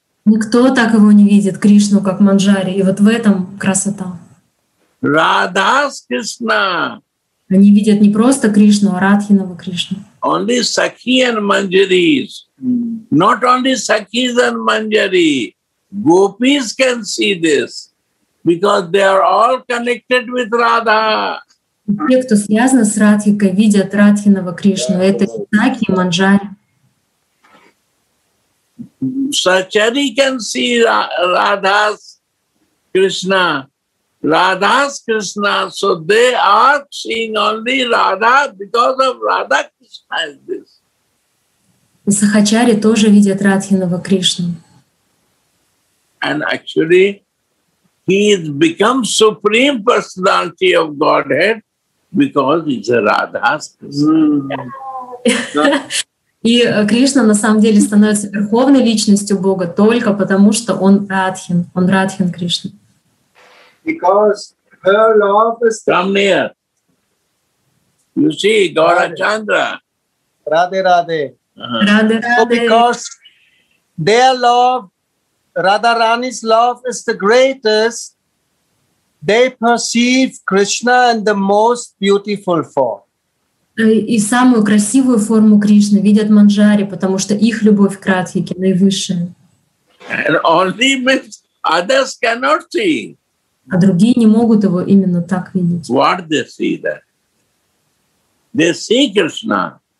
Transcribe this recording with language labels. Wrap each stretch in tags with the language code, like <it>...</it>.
<ru>Никто так его не видит, Кришну, как Манджари. И вот в этом красота. Радхас Кришна. Они видят не просто Кришну, а Радхиного Кришну.</ru> <en>Only Sakhi and Manjaris. Not only Sakis and Manjari, Gopis can see this because they are all connected with Radha.</en> <ru>Те, кто связаны с Радхикой, видят Радхиного Кришну. Это Саки и Манджари.</ru> <en>Сачари can see Radha's Krishna Radha's Krishna, so they are seeing only Radha because of Radha Krishna is this.</en> <ru>Сахачари тоже видят Радхиного Кришну.</ru> <en>And actually, he has become Supreme Personality of Godhead because he's a Radha's Krishna.</en> <ru>И Кришна на самом деле становится верховной личностью Бога только потому, что он Радхин. Он Радхин Кришна.</ru> <en>Because her love is come near. You see, Gaurachandra. Radhe. Radhe, Radhe. Because their love, Radha Rani's love is the greatest, they perceive Krishna in the most beautiful form.</en> <ru>И самую красивую форму Кришны видят Манджари, потому что их любовь к Радхике наивысшая.</ru> <en>And only others cannot see.</en> <ru>А другие не могут его именно так видеть.</ru> <en>What they see that? They see Krishna.</en>